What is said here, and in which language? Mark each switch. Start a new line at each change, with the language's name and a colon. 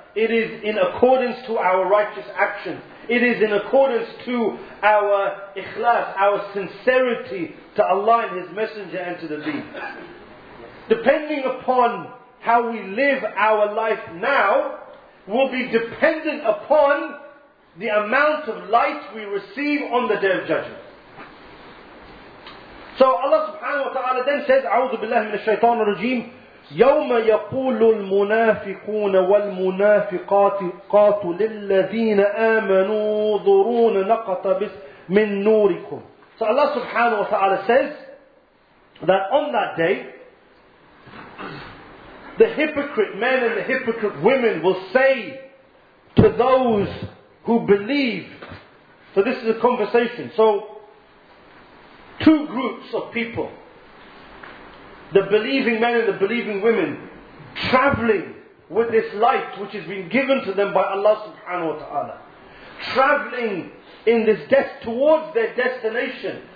English: It is in accordance to our righteous actions. It is in accordance to our ikhlas, our sincerity to Allah and His Messenger and to the Deen. Depending upon how we live our life now will be dependent upon the amount of light we receive on the Day of Judgment. So Allah subhanahu wa ta'ala then says,
Arabic: أعوذ بالله من الشيطان الرجيم يوم يقول المنافقون والمنافقات للذين آمنوا ظرون نقتبس من نوركم.
English: So Allah subhanahu wa ta'ala says that on that day the hypocrite men and the hypocrite women will say to those who believe. So this is a conversation. So two groups of people, the believing men and the believing women, traveling with this light which has been given to them by Allah subhanahu wa ta'ala, traveling in this death towards their destination.